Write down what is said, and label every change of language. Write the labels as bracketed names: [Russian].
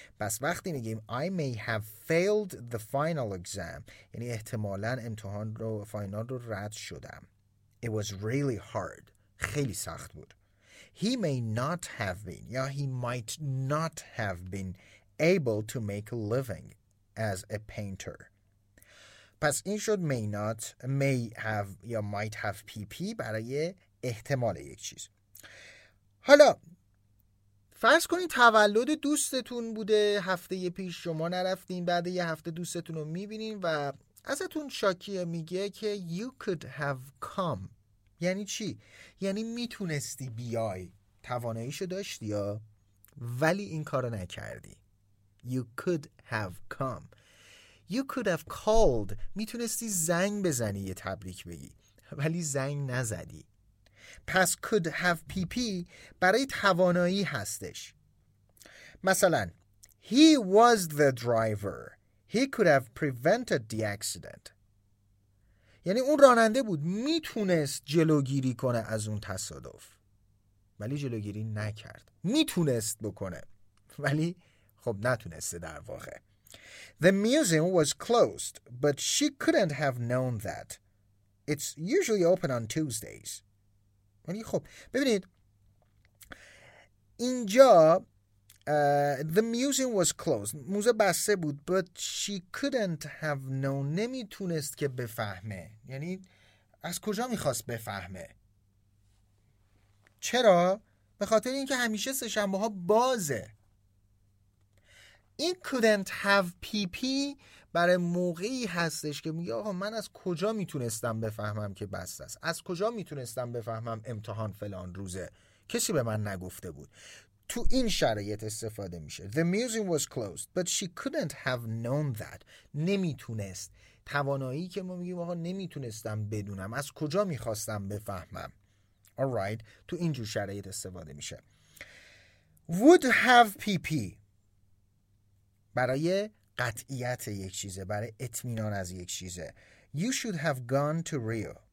[Persian] پس وقتی میگیم [English] I may have failed the final exam، [Persian] یعنی احتمالاً امتحان رو، فاینال رو رد شدم. [English] It was really hard، [Persian] خیلی سخت بود. [English] He may not have been، یا he might not have been able to make a living as a painter. [Persian] پس این شد [English] may not، may have [Persian] یا [English] might have PP [Persian] برای احتمال یک چیز. حالا فرض کنید تولد دوستتون بوده هفته پیش، شما نرفتین، بعد یه هفته دوستتون رو میبینین و ازتون شاکیه، میگه که [English] you could have come. [Persian] یعنی چی؟ یعنی میتونستی بیای، تواناییشو داشتی یا، ولی این کارو نکردی. [English] You could have come. You could have called. [Persian] میتونستی زنگ بزنی یه تبریک بگی، ولی زنگ نزدی. پس [English] could have PP [Persian] برای توانایی هستش. [English] مثلا He was the driver. He could have prevented the accident. [Persian] یعنی اون راننده بود، میتونست جلوگیری کنه از اون تصادف، ولی جلوگیری نکرد. میتونست بکنه ولی خب نتونسته در واقع. [English] The museum was closed, but she couldn't have known that. It's usually open on Tuesdays. [Persian] ولی خب ببینید اینجا [English] the museum was closed. [Persian] موزه بسته بود [English] but she couldn't have known. [Persian] نمیتونست که بفهمه. یعنی از کجا میخواست بفهمه؟ چرا؟ به خاطر اینکه همیشه سه‌شنبه‌ها بازه. این [English] couldn't have PP [Persian] برای موقعی هستش که میگه آقا من از کجا میتونستم بفهمم که بسته است؟ از کجا میتونستم بفهمم امتحان فلان روزه؟ کسی به من نگفته بود. تو این شرایط استفاده میشه. [English] The museum was closed, but she couldn't have known that. [Persian] نمیتونست. توانایی که ما میگیم آقا نمیتونستم بدونم. از کجا میخواستم بفهمم؟ [English] Alright. [Persian] تو اینجور شرایط استفاده میشه. [English] Would have PP. [Persian] برای قطعیت یک چیزه. برای اطمینان از یک چیزه. [English] You should have gone to Rio.